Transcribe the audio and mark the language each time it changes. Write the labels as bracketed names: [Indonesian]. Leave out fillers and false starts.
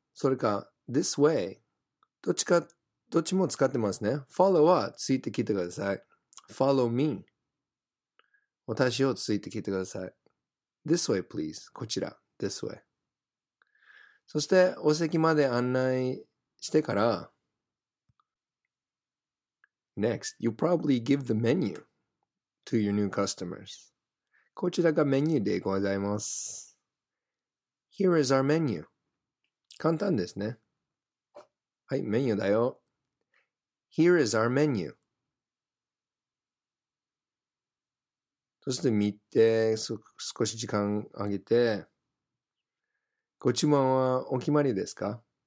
[Japanese] それか [English] This way, [Japanese] どっちも使ってますね。 Follow はついてきてください。 [English] Follow me. [Japanese] 私をついてきてください。 [English] This way, please. [Japanese] こちら。 [English] This way. [Japanese] そしてお席まで案内してから [English] Next, you probably give the menu to your new customers. [Japanese] こちらがメニューでございます。 [English] Here is our menu. [Japanese] 簡単ですね。はい、メニューだよ。 [English] Here is our menu. [Japanese] そして見て、少し時間あげてご注文はお決まりですか?